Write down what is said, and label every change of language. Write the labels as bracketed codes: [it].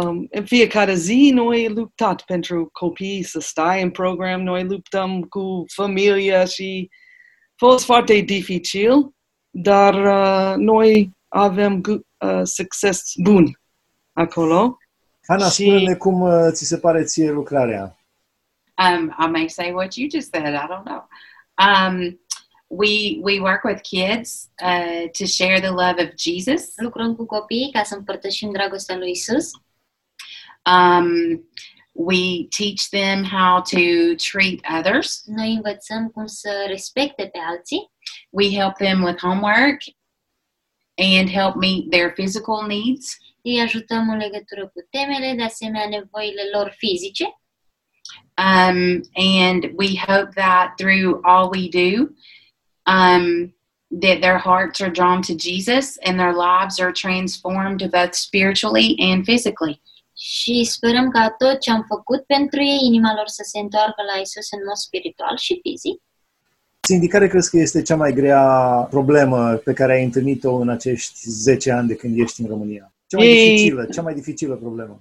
[ro] În fiecare zi noi luptat pentru copii să stai în program, noi luptăm cu familia și a fost foarte dificil, dar noi avem succes bun acolo. Hana, spune-ne cum ți se pare ție lucrarea. [en] I may say what you just said, I don't know. We work with kids to share the love of Jesus. [ro] Lucrăm cu copii ca să împărtășim dragostea lui Isus. [en] We teach them how to treat others. [ro] Noi învățăm cum să respecte pe alții. [en] We help them with homework and help meet their physical needs. [ro] Îi ajutăm în legătură cu temele, de asemenea nevoile lor fizice. [en] And we hope that through all we do, that their hearts are drawn to Jesus and their lives are transformed both spiritually and physically. [ro] Și sperăm ca tot ce am făcut pentru ei, inima lor să se întoarcă la Iisus în mod spiritual și fizic. Sindicare, crezi că este cea mai grea problemă pe care ai întâlnit-o în acești 10 ani de când ești în România? Cea mai dificilă problemă?